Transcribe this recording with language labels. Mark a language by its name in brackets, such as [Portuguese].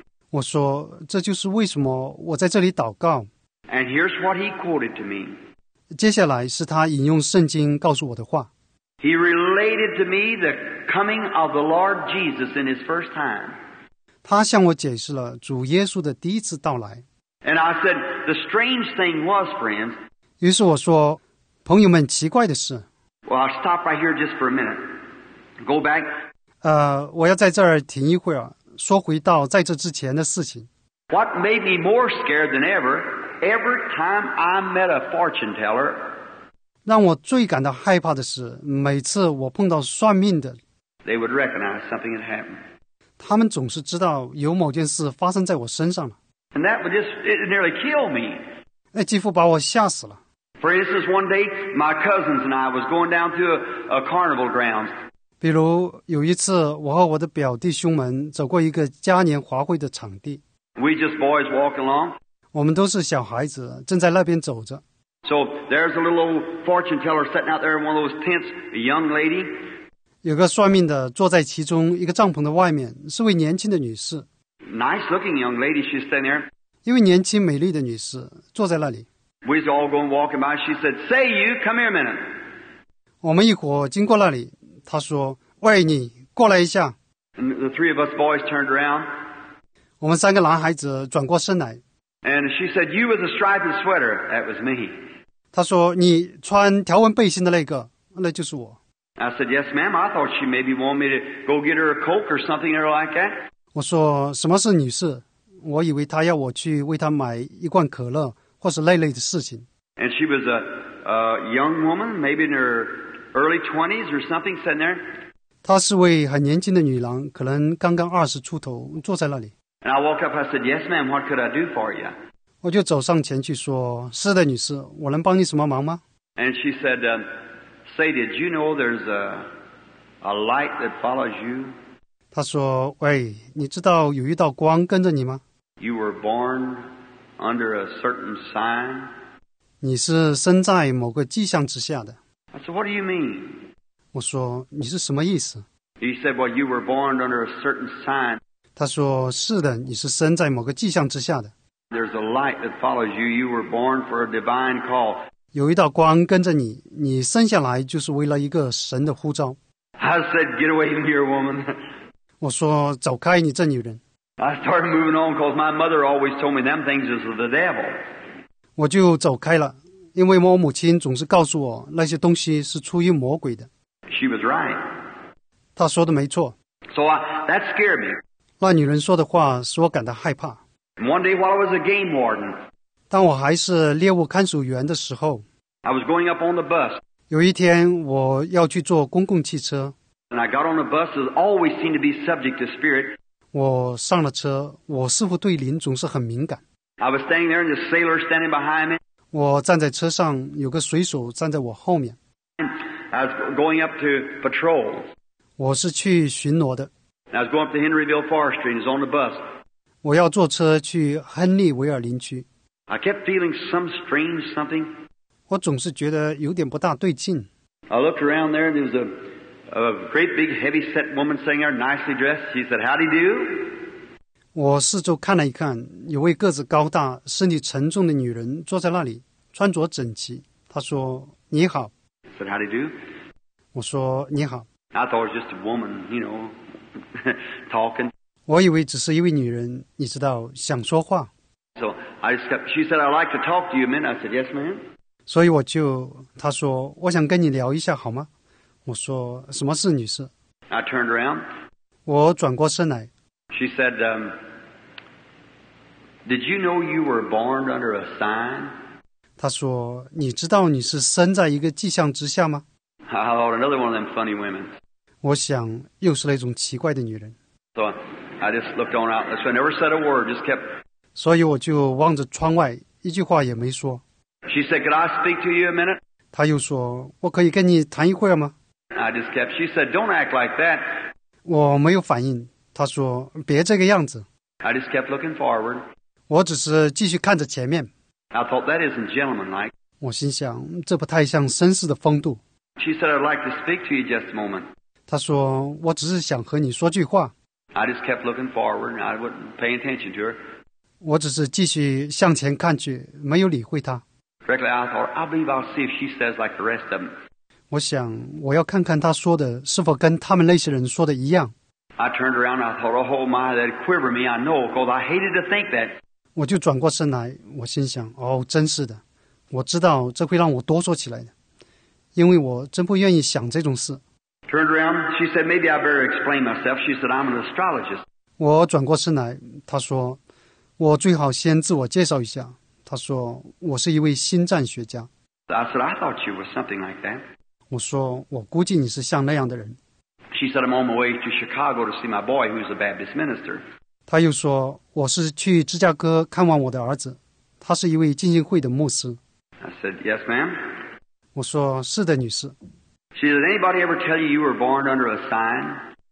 [Chinese] 我说，这就是为什么我在这里祷告。 [English] And here's what he quoted to me. [Chinese] 接下来是他引用圣经告诉我的话。 [English] He related to me the coming of the Lord Jesus in his first time. [Chinese] 他向我解释了主耶稣的第一次到来。 [English] And I said, the strange thing was, friends. [Chinese] 于是我说，朋友们，奇怪的是。 [English] Well, I'll stop right here just for a minute. Go back. [Chinese] 我要在这儿停一会儿，说回到在这之前的事情。 [English] What made me more scared than ever, every time I met a fortune teller, [Chinese] 让我最感到害怕的是，每次我碰到算命的 [English] they would recognize something had happened. [Chinese] 他们总是知道有某件事发生在我身上了。 [English] And that would just nearly kill me. [Chinese] 那几乎把我吓死了。 [English] For instance, one day, my cousins and I was going down to a carnival grounds. [Chinese] 比如有一次我和我的表弟兄们走过一个嘉年华会的场地。 [English] We just boys walking along. [Chinese] 我们都是小孩子正在那边走着。 [English] So there's a little old fortune teller sitting out there in one of those tents, a young lady. [Chinese] 有个算命的坐在其中一个帐篷的外面，是位年轻的女士。 [English] Nice looking young lady, she's standing there. [Chinese] 一位年轻美丽的女士坐在那里。 [English] We's all going walking by, she said, say you, come here a minute. [Chinese] 我们一伙经过那里，她说，喂你，过来一下。 [English] And the three of us boys turned around. [Chinese] 我们三个男孩子转过身来。 [English] And she said, you with the striped sweater, that was me. [Chinese] 她说，你穿条纹背心的那个，那就是我。 [English] I said, yes, ma'am, I thought she maybe wanted me to go get her a Coke or something or like that. [Chinese] 我说，什么事，女士？我以为她要我去为她买一罐可乐，或是那类的事情。 [English] And she was a young woman, maybe in her early 20s or something, sitting there. [Chinese] 她是位很年轻的女郎，可能刚刚二十出头，坐在那里。 [English] And I walked up, I said, yes, ma'am, what could I do for you? [Chinese] 我就走上前去说，是的，女士，我能帮你什么忙吗？ [English] And she said, say, did you know there's a light that follows you? [Chinese] 她说，喂，你知道有一道光跟着你吗？ [English] You were born under a certain sign. [Chinese] 你是生在某个迹象之下的。 [English] I said, what do you mean? [Chinese] 我说，你是什么意思？ [English] He said, well, you were born under a certain sign. [Chinese] 她说，是的，你是生在某个迹象之下的。 [English] There's a light that follows you. You were born for a divine call. [Chinese] 有一道光跟着你，你生下来就是为了一个神的呼召。 [English] I said, "Get away from here, woman." [Chinese] 我说走开，你这女人。 [English] I started moving on because my mother always told me them things is the devil. [Chinese] 我就走开了，因为我母亲总是告诉我那些东西是出于魔鬼的。 [English] She was right. [Chinese] 她说的没错。 [English] So that scared me. [Chinese] 那女人说的话使我感到害怕。 [English] One day while I was a game warden, [Chinese] 当我还是猎物看守员的时候 [English] I was going up on the bus. [Chinese] 有一天我要去坐公共汽车 [English] And I got on the bus, it always seemed to be subject to spirit. [Chinese] 我上了车，我似乎对灵总是很敏感。 [English] I was standing there and the sailor standing behind me. [Chinese] 我站在车上，有个水手站在我后面。 [English] I was going up to patrol. [Chinese] 我是去巡逻的。 [English] I was going up to Henryville Forestry and was on the bus. [Chinese] 我要坐车去亨利维尔林区。 [English] I kept feeling some strange something. [Chinese] 我总是觉得有点不大对劲。 [English] I looked around there and there was a great big heavy set woman sitting there nicely dressed. She said, "How do you do?" [Chinese] 我四周看了一看，有位个子高大、身体沉重的女人坐在那里，穿着整齐。她说：“你好。” [English] I said, "How do you do?" [Chinese] 我说：“你好。” [English] I thought it was just a woman, you know, talking. [Chinese] 我以为只是一位女人，你知道，想说话。 [English] So I just kept, she said, "I'd like to talk to you a minute." I said, "Yes, ma'am." [Chinese] 所以我就，她说，我想跟你聊一下，好吗？我说，什么事，女士 [English] ？I turned around. [Chinese] 我转过身来。 [English] She said, "Did you know you were born under a sign?" [Chinese] 她说，你知道你是生在一个迹象之下吗 [English] ？I thought another one of them funny women. [Chinese] 我想，又是那种奇怪的女人。 [English] So. I just looked on out. So I never said a word, just kept. [Chinese] 所以我就望着窗外，一句话也没说。 [English] She said, "Could I speak to you a minute?" [Chinese] 她又说，我可以跟你谈一会儿吗 [English] ？I just kept. She said, "Don't act like that." [Chinese] 我没有反应。她说，别这个样子。 [English] I just kept looking forward. [Chinese] 我只是继续看着前面。 [English] I thought that isn't gentlemanlike. [Chinese] 我心想，这不太像绅士的风度。 [English] She said, "I'd like to speak to you just a moment." [Chinese] 她说，我只是想和你说句话。 [English] I just kept looking forward and I wasn't paying attention to her. [Chinese] 我只是继续向前看去，没有理会她。 [English] Frankly, I thought, I believe I'll see if she says like the rest of them. [Chinese] 我想，我要看看她说的是否跟他们那些人说的一样。 [English] I turned around and I thought, oh my, that'd quiver me, I know, because I hated to think that. [Chinese] 我就转过身来，我心想，哦，真是的，我知道这会让我哆嗦起来的，因为我真不愿意想这种事。 [English] Turned around, she said, "Maybe I better explain myself." She said, "I'm an astrologist." [Chinese] 我转过身来，她说，我最好先自我介绍一下。她说，我是一位星占学家。 [English] I said, "I thought you were something like that." [Chinese] 我说，我估计你是像那样的人。 [English] She said, "I'm on my way to Chicago to see my boy, who's a Baptist minister." [Chinese] 她又说，我是去芝加哥看望我的儿子，他是一位浸信会的牧师。 [English] I said, "Yes, ma'am." [Chinese] 我说，是的，女士。 [English] She said, "Did anybody ever tell you you were born under a sign?"